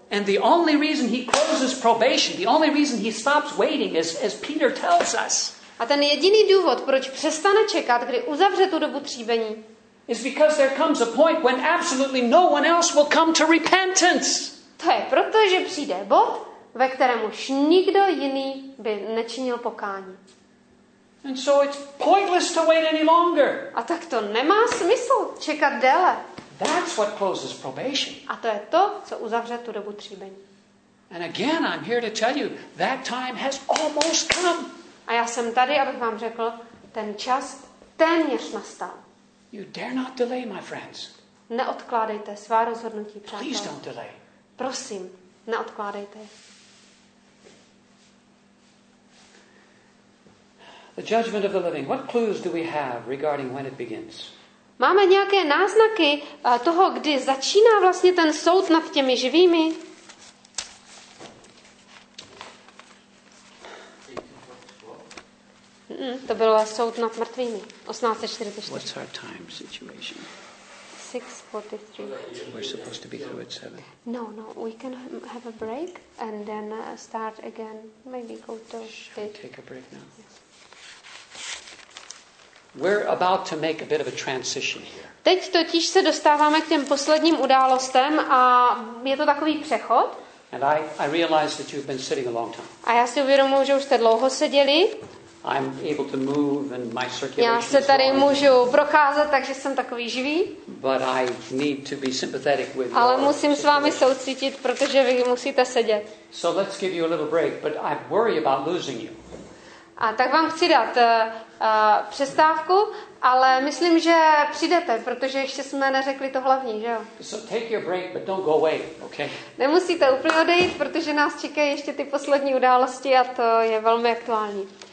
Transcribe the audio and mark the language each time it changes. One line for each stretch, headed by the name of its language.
English: And the only reason he closes probation, the only reason he stops waiting is as Peter tells us.
Czech: A ten jediný důvod, proč přestane čekat, kdy uzavře tu dobu tříbení,
English: is because there comes a point when absolutely no one else will come to repentance.
Czech: To je proto, že přijde bod, ve kterém už nikdo jiný by nečinil pokání.
English: And so it's pointless to wait any longer.
Czech: A tak to nemá smysl čekat déle.
English: That's what closes probation.
Czech: A to je to, co uzavře tu dobu tříbení.
English: And again, I'm here to tell you, that time has almost come.
Czech: A já jsem tady, abych vám řekl, ten čas téměř nastal.
English: You dare not delay, my friends.
Czech: Neodkládejte svá rozhodnutí, přátelé.
English: Please don't delay.
Czech: Prosím, neodkládejte.
English: The judgment of the living. What clues do we have regarding when it begins?
Czech: Máme nějaké náznaky toho, kdy začíná vlastně ten soud nad těmi živými? 18:44. To byl soud nad mrtvými. 18:44.
English: What's our time situation? 6:43. We're supposed to be through at 7. No, we can have a break and then start again. Maybe go to Should we take a break now? We're about to make a bit of a transition here.
Czech: Teď totiž se dostáváme k těm posledním událostem a je to takový přechod.
English: And I realize that you've been sitting a long time.
Czech: A já si uvědomuji, že už jste dlouho seděli.
English: I'm able to move and my circulation.
Czech: Já se tady můžu procházet, takže jsem takový živý.
English: But I need to be sympathetic with you.
Czech: Ale musím s vámi soucítit, protože vy musíte sedět.
English: So let's give you a little break, but I worry about losing you.
Czech: A tak vám chci dát přestávku, ale myslím, že přijdete, protože ještě jsme neřekli to hlavní, že jo?
English: So take your break, but don't go away, okay?
Czech: Nemusíte úplně odejít, protože nás čekají ještě ty poslední události a to je velmi aktuální.